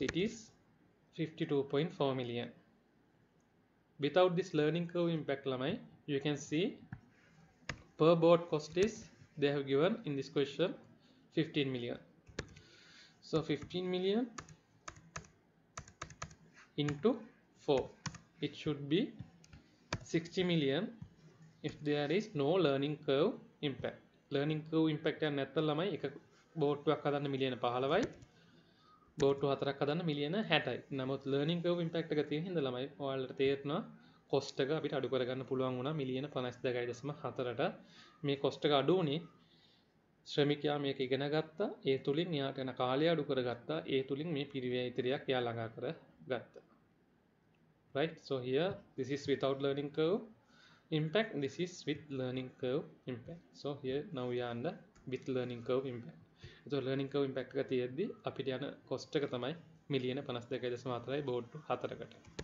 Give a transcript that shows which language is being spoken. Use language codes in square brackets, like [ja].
[en] It is 52.4 million. Without this learning curve impact lemma, you can see per board cost is, they have given in this question, 15 million. So 15 million into 4. It should be 60 million if there is no learning curve impact. [si] Learning curve impact and නැත්නම් ළමයි එක board එකක් හදන්න මිලියන 15යි board 2 4ක් හදන්න මිලියන 60යි. නමුත් learning curve impact එක තියෙන හින්දා ළමයි ඔයාලට තේරෙනවා cost එක අපිට අඩු කරගන්න පුළුවන් වුණා මිලියන 52.4ට. මේ cost එක අඩු වුණේ ශ්‍රමිකයා මේක ඉගෙන ගත්තා, ඒ තුලින් යාට යන කාලය අඩු කරගත්තා, ඒ තුලින් මේ පිරිවැය ඉතිරියක් යා ළඟා කරගත්තා. [en] Right, so here this is without learning curve impact, this is with learning curve impact. So here now we are under with learning curve impact. [si] So learning curve impact එක තියෙද්දි අපිට යන cost එක තමයි මිලියන 52.4යි board 4කට.